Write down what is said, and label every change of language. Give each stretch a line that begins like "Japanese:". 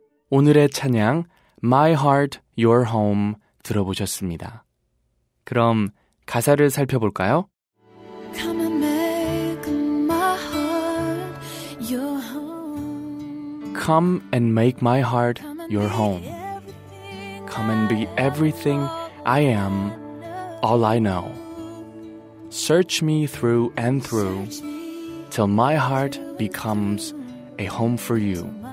Korean: 오늘의 찬양 My Heart, Your Home 들어보셨습니다. 그럼 가사를 살펴볼까요?
English: Come and make my heart your home. Come and make my heart your home. Come and be everything I am, all I know. Search me through and through till my heart becomes a home for you.